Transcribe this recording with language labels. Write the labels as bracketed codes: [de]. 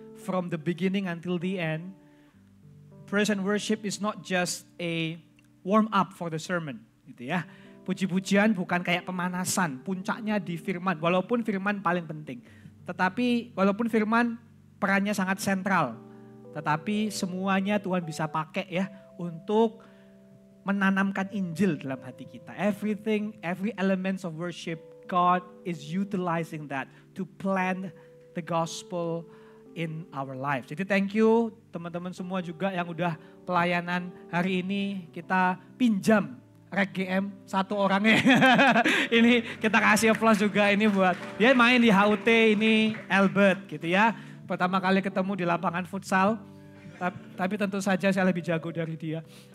[en] from the beginning until the end, praise and worship is not just a warm up for the sermon, [id] gitu ya. Puji-pujian bukan kayak pemanasan, puncaknya di firman, walaupun firman paling penting. Tetapi walaupun firman perannya sangat sentral, tetapi semuanya Tuhan bisa pakai ya untuk menanamkan Injil dalam hati kita. [en] Everything, every elements of worship, God is utilizing that to plant the gospel in our life. [id] Jadi [en] thank you [id] teman-teman semua juga yang udah pelayanan hari ini. Kita pinjam Rek GM satu orangnya. Ini kita kasih applause juga ini buat dia main di HUT ini, Albert gitu ya. Pertama kali ketemu di lapangan futsal. Tapi tentu saja saya lebih jago dari dia.